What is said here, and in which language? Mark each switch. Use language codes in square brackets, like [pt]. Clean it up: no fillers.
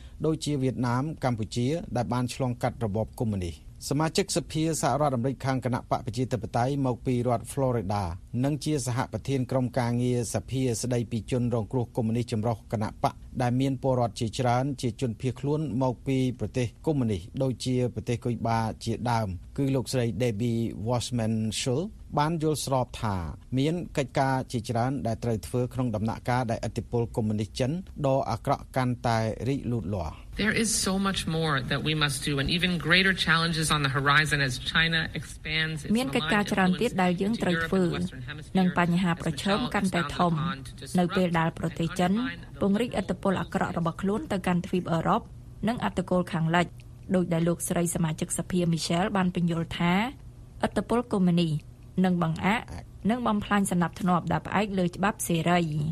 [km] ដូចជាវៀតណាមកម្ពុជាដែលបានឆ្លងកាត់របបកុម្មុយនីសសមាជិកសភាសហរដ្ឋអាមេរិកខាងគណៈបកប្រជាធិបតេយ្យមកពីរដ្ឋ Florida និងជាសហប្រធានក្រុមការងារសភាស្ដីពីជនរងគ្រោះកុម្មុយនីសចម្រុះគណៈបកដែលមានពលរដ្ឋជាច្រើនជាជនភៀសខ្លួនមកពីប្រទេសកុម្មុយនីសដូចជាប្រទេសគុយបាជាដើមគឺលោកស្រី Debbie Wasserman Schul បានយល់ស្របថា មានកិច្ចការជាច្រើនដែលត្រូវធ្វើក្នុងដំណាក់កាលដែលឥទ្ធិពលកុម្មុយនីសចិនដ៏អាក្រក់កាន់តែរីកលូតលាស់ [en] There is so much more that we must do and even greater challenges on the horizon as China expands [km] មានកិច្ចការច្រើនទៀតដែលយើងត្រូវធ្វើនិងបញ្ហាប្រឈមកាន់តែធំនៅពេលដែលប្រទេសចិនពង្រីកឥទ្ធិពលអាក្រក់របស់ខ្លួនទៅកាន់ទ្វីបអឺរ៉ុបនិងអតកូលខាងលិចដោយដែលលោកស្រីសមាជិកសភា Michelle បានបញ្យល់ថាឥទ្ធិពលកុម្មុយនីសនឹងបង្អាក់និងបំផ្លាញសណ្ដាប់ធ្នាប់ដែលផ្អែកលើច្បាប់សេរី